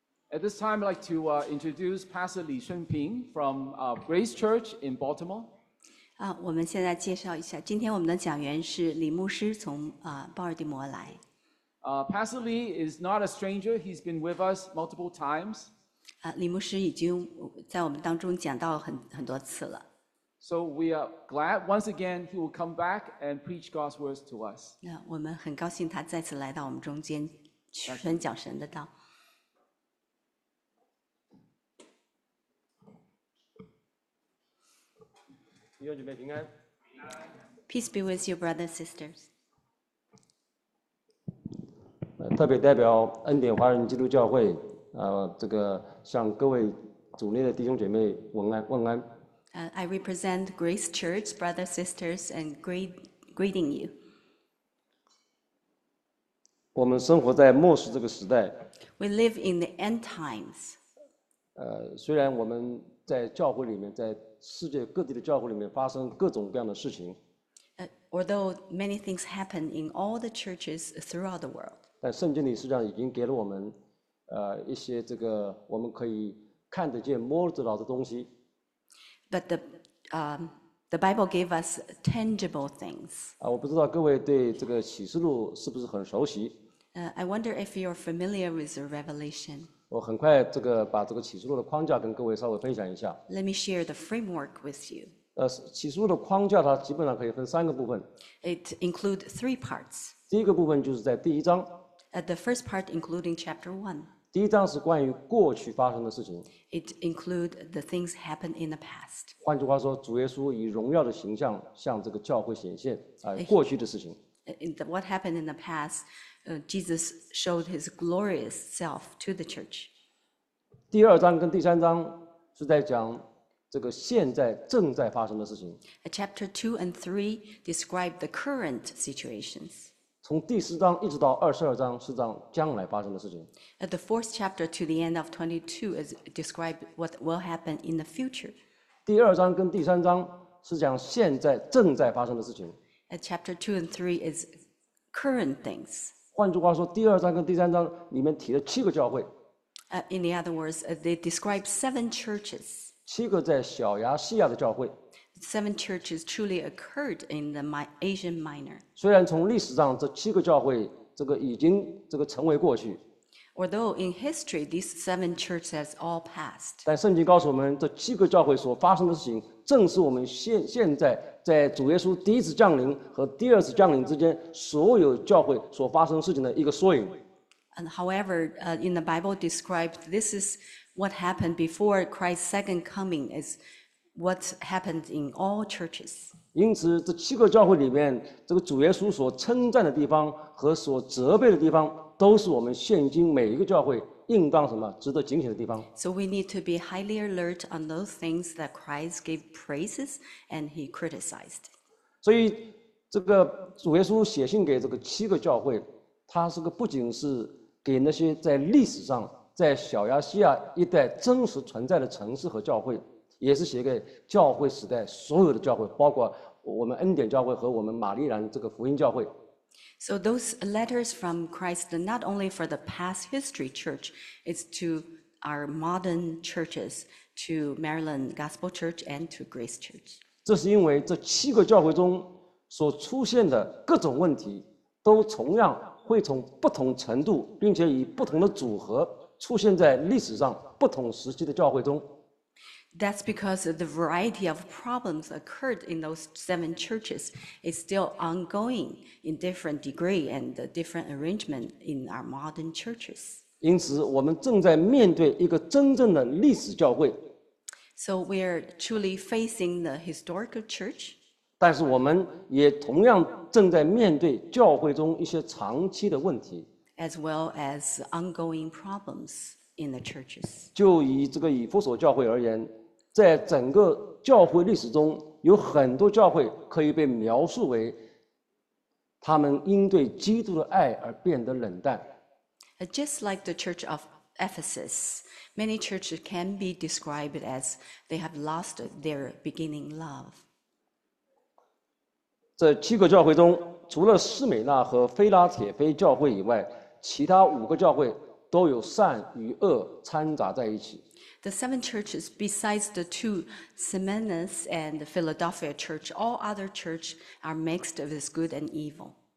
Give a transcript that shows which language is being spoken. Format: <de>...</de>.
<en>At this time, I'd like to introduce Pastor Li Shunping from Grace Church in Baltimore.</en> <zh>我们现在介绍一下，今天我们的讲员是李牧师，从鲍尔的摩来。</zh> <en>Pastor Li is not a stranger. He's been with us multiple times.</en> <zh>李牧师已经在我们当中讲到很多次了。</zh> <en>So we are glad once again he will come back and preach God's words to us.</en> <zh>我们很高兴他再次来到我们中间宣讲神的道。弟兄姐妹平安。</zh> <en>Peace be with you, brothers and sisters.</en> <zh>特别代表恩典华人基督教会，这个向各位主内的弟兄姐妹问安。</zh> <en>I represent Grace Church, brothers and sisters, and greeting you.</en> <zh>我们生活在末世这个时代。</zh> <en>We live in the end times.</en> <zh>虽然我们在教会里面，在世界各地的教会里面发生各种各样的事情。</zh> <en>Although many things happen in all the churches throughout the world.</en> <zh>但圣经里实际上已经给了我们，一些这个我们可以看得见、摸得着的东西。</zh> <en>But the Bible gave us tangible things.</en> <zh>我不知道各位对这个启示录是不是很熟悉。</zh> <en>I wonder if you're familiar with the Revelation.</en> <zh>我很快这个把这个启示录的框架跟各位稍微分享一下。</zh> <en>Let me share the framework with you.</en> <zh>启示录的框架它基本上可以分三个部分。</zh> <en>It includes three parts.</en> <zh>第一个部分就是在第一章。</zh> <en>The first part including chapter one.</en> <zh>第一章是关于过去发生的事情。</zh> <en>It includes the things happened in the past.</en> <zh>换句话说，主耶稣以荣耀的形象向这个教会显现，过去的事情。</zh> <en>What happened in the past, Jesus showed his glorious self to the church.</en> <zh>第二章跟第三章是在讲这个现在正在发生的事情。</zh> <en>Chapter 2 and 3 describe the current situations.</en> <zh>从第四章一直到二十二章是讲将来发生的事情。</zh> <en>The fourth chapter to the end of 22 is describe what will happen in the future.</en> <zh>第二章跟第三章是讲现在正在发生的事情。</zh> <en>Chapter 2 and 3 is current things.</en> <zh>换句话说，第二章跟第三章里面提了七个教会。</zh> <en>In the other words, they describe seven churches.</en> <zh>七个在小亚细亚的教会。</zh> <en>Seven churches truly occurred in the Asian Minor.</en> <zh>虽然从历史上这七个教会这个已经这个成为过去。</zh> <en>Although in history these seven churches have all passed.</en> <zh>但圣经告诉我们，这七个教会所发生的事情，正是我们现在在主耶稣第一次降临和第二次降临之间所有教会所发生事情的一个缩影。</zh> <en>And however, in the Bible described, this is what happened before Christ's second coming is. What happened in all churches?</en> <zh>因此，这七个教会里面，这个主耶稣所称赞的地方和所责备的地方，都是我们现今每一个教会应当什么值得警醒的地方。</zh> <en>So we need to be highly alert on those things that Christ gave praises and he criticized.</en> <zh>所以，这个主耶稣写信给这个七个教会，他是个不仅是给那些在历史上在小亚细亚一带真实存在的城市和教会。也是写给教会时代所有的教会，包括我们恩典教会和我们玛丽兰这个福音教会。</zh> <en>So those letters from Christ are not only for the past history church, it's to our modern churches, to Maryland Gospel Church and to Grace Church.</en> <zh>这是因为这七个教会中所出现的各种问题，都同样会从不同程度，并且以不同的组合出现在历史上不同时期的教会中。</zh> <en>That's because the variety of problems occurred in those seven churches is still ongoing in different degree and different arrangement in our modern churches.</en> <zh>因此，我们正在面对一个真正的历史教会。</zh> <en>So we are truly facing the historical church.</en> <zh>但是我们也同样正在面对教会中一些长期的问题。</zh> <en>As well as ongoing problems. In the churches.</en> <zh>就以这个以弗所教会而言，在整个教会历史中，有很多教会可以被描述为，他们因对基督的爱而变得冷淡。</zh> <en>Just like the church of Ephesus, many churches can be described as they have lost their beginning love.</en> <zh>这七个教会中，除了斯美纳和腓拉铁菲教会以外，其他五个教会。都有善与恶掺杂在一起。</zh> <en>The seven churches, besides the two Smyrnas and the Philadelphia church, all other churches are mixed with good and evil.</en>